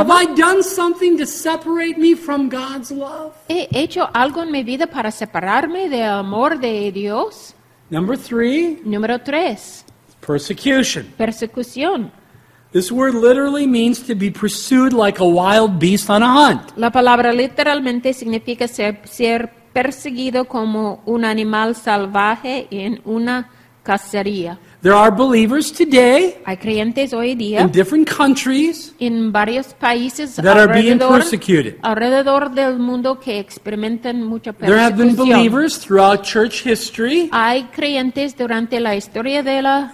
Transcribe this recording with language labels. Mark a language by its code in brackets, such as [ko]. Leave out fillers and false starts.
[en] Have I done something to separate me from God's love? [es] ¿He hecho algo en mi vida para separarme del amor de Dios? [en] Number three. [es] Número tres. [en] Persecution. [es] Persecución. [en] This word literally means to be pursued like a wild beast on a hunt. [es] La palabra literalmente significa ser perseguido como un animal salvaje en una cacería. [en] There are believers today. [es] Hay creyentes hoy día. [en] In different countries. [es] En varios países. [en] That are being persecuted. [es] Alrededor del mundo que experimentan mucha persecución. [en] There have been believers throughout church history. [es] Hay creyentes durante la historia de la.